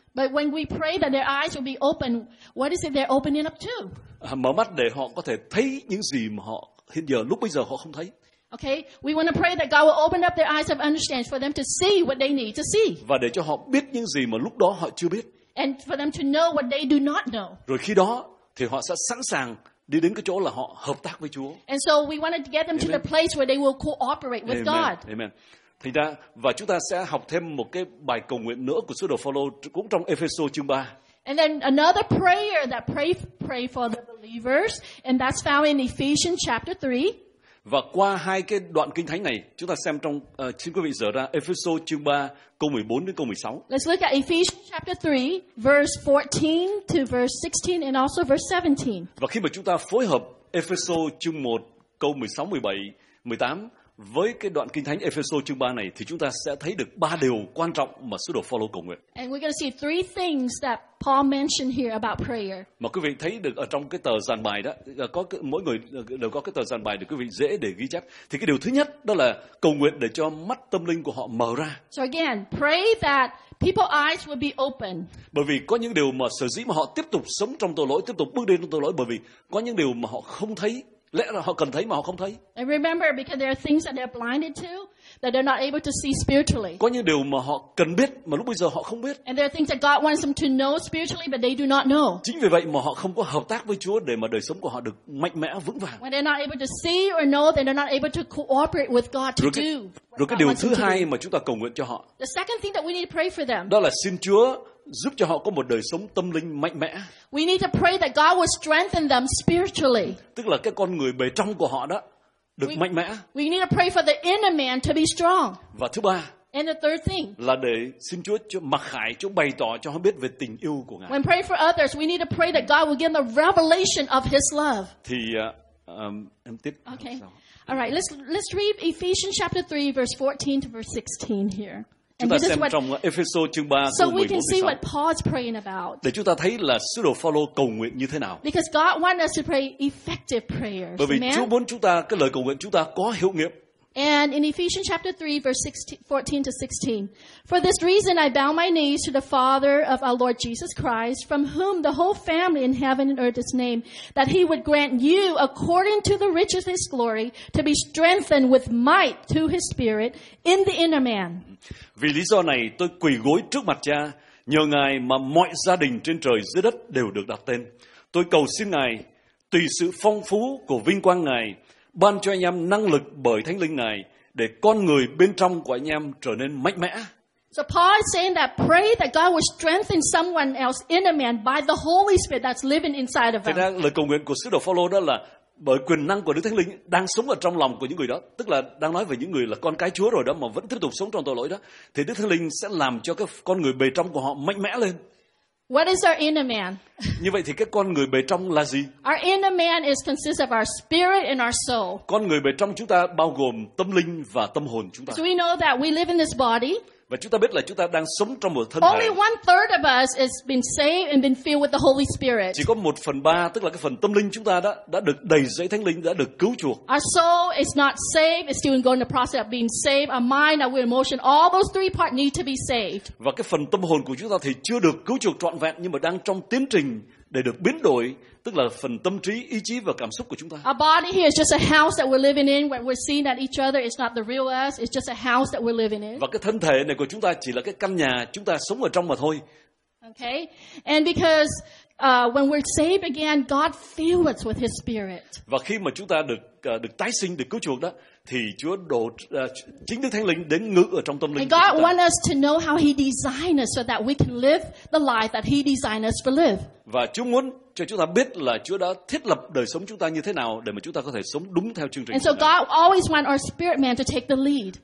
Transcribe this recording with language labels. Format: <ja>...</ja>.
<en>But when we pray that their eyes will be open, what is it they're opening up to?</en> <vi>Mở mắt để họ có thể thấy những gì mà họ hiện giờ lúc bây giờ họ không thấy.</vi> <en>Okay, we want to pray that God will open up their eyes of understanding for them to see what they need to see.</en> <vi>Và để cho họ biết những gì mà lúc đó họ chưa biết.</vi> <en>And for them to know what they do not know.</en> <vi>Rồi khi đó thì họ sẽ sẵn sàng đi đến cái chỗ là họ hợp tác với Chúa.</vi> <en>And so we want to get them to the place where they will cooperate with God. Amen.</en> <vi>Thì ra và chúng ta sẽ học thêm một cái bài cầu nguyện nữa của sứ đồ Phao-lô cũng trong Ephesos chương 3.</vi> <en>And then another prayer that pray for the believers, and that's found in Ephesians chapter 3.</en> <vi>Và qua hai cái đoạn kinh thánh này, chúng ta xem trong xin quý vị dở ra Ephesos chương 3 câu 14 đến câu 16.</vi> <en>Let's look at Ephesians chapter 3 verse 14 to verse 16 and also verse 17.</en> <vi>Và khi mà chúng ta phối hợp Ephesos chương 1 câu 16, 17, 18 với cái đoạn kinh thánh Ephesos chương 3 này thì chúng ta sẽ thấy được ba điều quan trọng mà sứ đồ Phaolô cầu nguyện.</vi> <en>And we're going to see three things that Paul mentioned here about prayer.</en> <vi>Mà quý vị thấy được ở trong cái tờ dàn bài đó, có mỗi người đều có cái tờ dàn bài để quý vị dễ để ghi chép. Thì cái điều thứ nhất đó là cầu nguyện để cho mắt tâm linh của họ mở ra.</vi> <en>So again, pray that people's eyes will be open.</en> <vi>Bởi vì có những điều mà sở dĩ mà họ tiếp tục sống trong tội lỗi, tiếp tục bước đi trong tội lỗi bởi vì có những điều mà họ không thấy. Lẽ là họ cần thấy mà họ không thấy.</vi> <en>And remember, because there are things that they're blinded to, that they're not able to see spiritually.</en> <vi>Có những điều mà họ cần biết mà lúc bây giờ họ không biết.</vi> <en>And there are things that God wants them to know spiritually, but they do not know.</en> <vi>Chính vì vậy mà họ không có hợp tác với Chúa để mà đời sống của họ được mạnh mẽ vững vàng.</vi> <en>When they're not able to see or know, then they're not able to cooperate with God to do.</en> <vi>Rồi cái điều thứ hai mà chúng ta cầu nguyện cho họ.</vi> <en>The second thing that we need to pray for them.</en> <vi>Đó là xin Chúa giúp cho họ có một đời sống tâm linh mạnh mẽ.</vi> <en>We need to pray that God will strengthen them spiritually.</en> <vi>Tức là cái con người bề trong của họ đó được mạnh mẽ.</vi> <en>We need to pray for the inner man to be strong.</en> <vi>Và thứ ba,</vi> <en>and the third thing,</en> <vi>là để xin Chúa cho mặc khải, Chúa bày tỏ cho họ biết về tình yêu của Ngài.</vi> <en>When praying for others, we need to pray that God will give them the revelation of His love.</en> <vi>Thì em tiếp.</vi> <en>Okay. All right. Let's read Ephesians chapter 3 verse 14 to verse 16 here.</en> <vi>Chúng ta xem trong Ephesos chương 3 câu 14-16 để chúng ta thấy là sứ đồ Phaolô cầu nguyện như thế nào.</vi> <en>Because God wants us to pray effective prayers.</en> <vi>Bởi vì Chúa muốn chúng ta cái lời cầu nguyện chúng ta có hiệu nghiệm.</vi> <en>And in Ephesians chapter 3 verse 14-16, for this reason I bow my knees to the Father of our Lord Jesus Christ, from whom the whole family in heaven and earth is named, that He would grant you, according to the riches of His glory, to be strengthened with might to His Spirit in the inner man.</en> <vi>Vì lý do này tôi quỳ gối trước mặt Cha, nhờ Ngài mà mọi gia đình trên trời dưới đất đều được đặt tên. Tôi cầu xin Ngài, tùy sự phong phú của vinh quang Ngài, ban cho anh em năng lực bởi Thánh Linh Ngài để con người bên trong của anh em trở nên mạnh mẽ.</vi> <en>So Paul is saying that pray that God will strengthen someone else in a man by the Holy Spirit that's living inside of him.</en> <vi>Thế nên lời cầu nguyện của sứ đồ Phaolô đó là bởi quyền năng của Đức Thánh Linh đang sống ở trong lòng của những người đó, tức là đang nói về những người là con cái Chúa rồi đó mà vẫn tiếp tục sống trong tội lỗi đó, thì Đức Thánh Linh sẽ làm cho cái con người bề trong của họ mạnh mẽ lên.</vi> <en>What is our inner man?</en> <vi>Như vậy thì cái con người bề trong là gì?</vi> <en>Our inner man is consists of our spirit and our soul.</en> <vi>Con người bề trong chúng ta bao gồm tâm linh và tâm hồn chúng ta.</vi> <en>So we know that we live in this body.</en> <vi>Và chúng ta biết là chúng ta đang sống trong một thân thể.</vi> <en>Only 1/3 of us has been saved and been filled with the Holy Spirit.</en> <vi>Chỉ có 1/3, tức là cái phần tâm linh chúng ta đã được đầy dẫy Thánh Linh, đã được cứu chuộc.</vi> <en>Our soul is not saved; it's still going the process of being saved. Our mind, our emotion, all those three parts need to be saved.</en> <vi>Và cái phần tâm hồn của chúng ta thì chưa được cứu chuộc trọn vẹn, nhưng mà đang trong tiến trình để được biến đổi, tức là phần tâm trí, ý chí và cảm xúc của chúng ta.</vi> <en>Our body here is just a house that we're living in, where we're seeing that each other is not the real us, it's just a house that we're living in.</en> <vi>Và cái thân thể này của chúng ta chỉ là cái căn nhà chúng ta sống ở trong mà thôi.</vi> <en>Okay. And because when we're saved again, God fills us with His Spirit.</en> <vi>Và khi mà chúng ta được tái sinh, được cứu chuộc đó, thì Chúa đổ chính Đức Thánh Linh đến ngự ở trong tâm linh.</vi> <en>And God wants us to know how He designed us so that we can live the life that He designed us to live.</en> <vi>Và Chúa muốn cho chúng ta biết là Chúa đã thiết lập đời sống chúng ta như thế nào để mà chúng ta có thể sống đúng theo chương trình.</vi> <en>And so God always wants our spirit man to take the lead.</en>